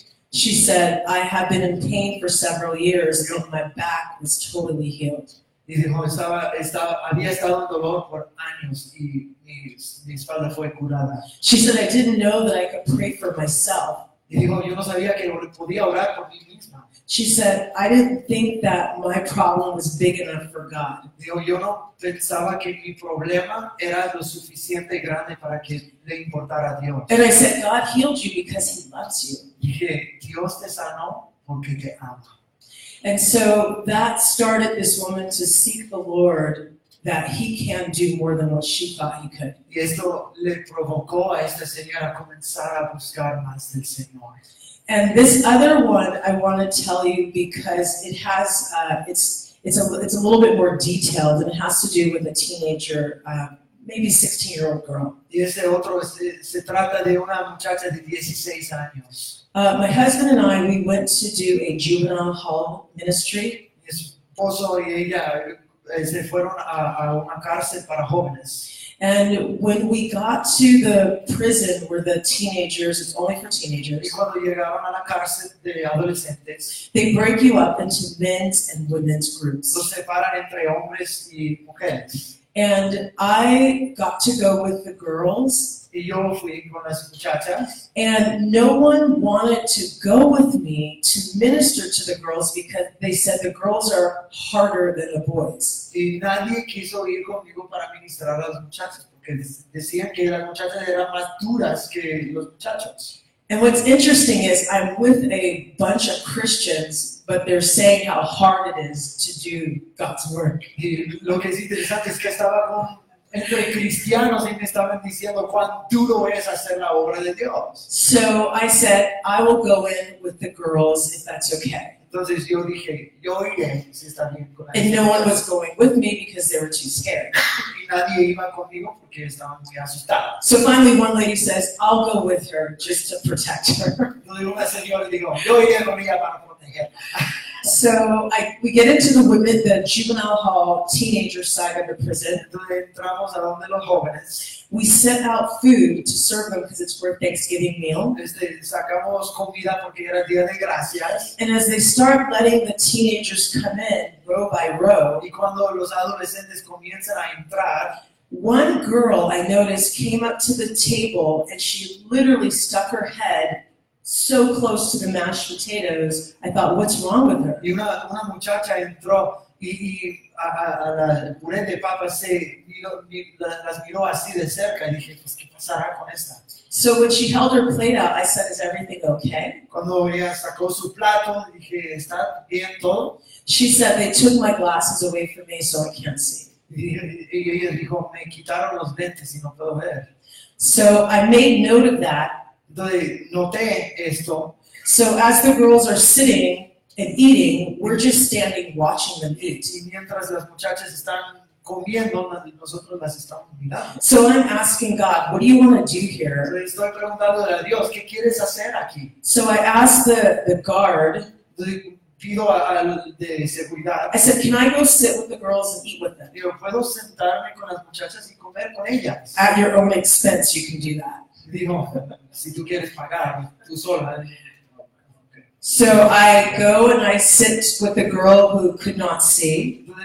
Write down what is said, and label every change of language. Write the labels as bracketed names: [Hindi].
[English] She said, I have been in pain for several years, and my back was totally healed. [Spanish] Y dijo, había estado en dolor por años y mi espalda fue curada. [English] She said, I didn't know that I could pray for myself. [Spanish] Y dijo, yo no sabía que podía orar por mí misma. [English] She said, I didn't think that my problem was big enough for God. [Spanish] Dijo, yo no pensaba que mi problema era lo suficiente grande para que le importara a Dios. [English] And I said, God healed you because he loves you. [Spanish] Y dije, Dios te sanó porque te ama. [English] And so that started this woman to seek the Lord, that he can do more than what she thought he could. [Spanish] Y esto le provocó a esta señora a comenzar a buscar más del Señor. [English] And this other one I want to tell you because it has it's a little bit more detailed, and it has to do with a teenager, maybe 16-year-old girl. [Spanish] Y ese otro se trata de una muchacha de 16 años. [English] My husband and I, we went to do a juvenile hall ministry. [Spanish] Mi esposo y ella se fueron a una cárcel para jóvenes. [English] And when we got to the prison where the teenagers, it's only for teenagers. [Spanish] Y cuando llegaron a la cárcel de adolescentes, [English] they break you up into men's and women's groups. [Spanish] Los separan entre hombres y mujeres. [English] And I got to go with the girls. [Spanish] Y yo fui con las muchachas. [English] And no one wanted to go with me to minister to the girls because they said the girls are harder than the boys. [Spanish] Y nadie quiso ir conmigo para ministrar a las muchachas porque decían que las muchachas eran más duras que los muchachos. [English] And what's interesting is I'm with a bunch of Christians, but they're saying how hard it is to do God's work. [Spanish] Y lo que es interesante es que estaba con entre cristianos y me estaban diciendo cuán duro es hacer la obra de Dios. [English] So I said, I will go in with the girls if that's okay. [Spanish] Entonces yo dije, yo iré si está bien con ellos. [English] And no one was going with me because they were too scared. [Spanish] Y nadie iba conmigo porque estaban muy asustados. [English] So finally one lady says, I'll go with her just to protect her. [Spanish] Y una señora dijo, yo iré con ella para protegerla. [English] So we get into the women, the juvenile hall, teenager side of the prison. [Spanish] Entramos a donde los jóvenes. [English] We set out food to serve them because it's for Thanksgiving meal. [Spanish] Sacamos comida porque era día de gracias. [English] And as they start letting the teenagers come in row by row, [Spanish] y cuando los adolescentes comienzan a entrar, [English] one girl I noticed came up to the table and she literally stuck her head so close to the mashed potatoes, I thought, what's wrong with her? [Spanish] Y una muchacha entró y a la puré de papas se las miró así de cerca y dije, pues, ¿qué pasará con esta? [English] So when she held her plate out, I said, is everything okay? [Spanish] Cuando ella sacó su plato, dije, ¿está bien todo? [English] She said, they took my glasses away from me so I can't see. [Spanish] Y ella dijo, me quitaron los lentes y no puedo ver. [English] So I made note of that. [Spanish] Entonces, noté esto. [English] So as the girls are sitting and eating, we're just standing watching them eat. [Spanish] Y mientras las muchachas están comiendo, nosotros las estamos mirando. [English] So I'm asking God, what do you want to do here? [Spanish] Le estoy preguntando a Dios, ¿qué quieres hacer aquí? [English] So I asked the guard, [Spanish] pido al de seguridad, [English] I said, can I go sit with the girls and eat with them? [Spanish] Digo, ¿puedo sentarme con las muchachas y comer con ellas? [English] At your own expense, you can do that. [Spanish] Digo, si tú quieres pagar, tú sola. [English] So I go and I sit with the girl who could not see.